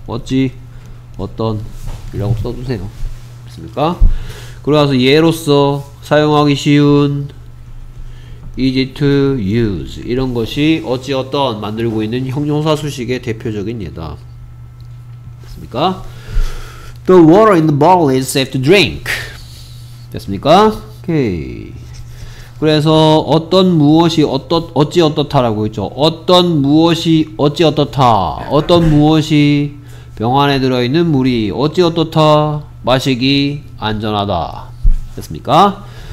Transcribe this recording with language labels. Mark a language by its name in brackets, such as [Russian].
[Korean] 어찌 어떤 이라고 써주세요 됐습니까? 그리고 나서 예로써 사용하기 쉬운 [English] easy to use [Korean] 이런 것이 어찌 어떤 만들고 있는 형용사 수식의 대표적인 예다 됐습니까? [English] The water in the bottle is safe to drink [Korean] 됐습니까? 오케이 그래서 어떤 무엇이 어찌 어떻다 라고 했죠 어떤 무엇이 어찌 어떻다 어떤 무엇이 병 안에 들어있는 물이 어찌 어떻다 마시기 안전하다 됐습니까?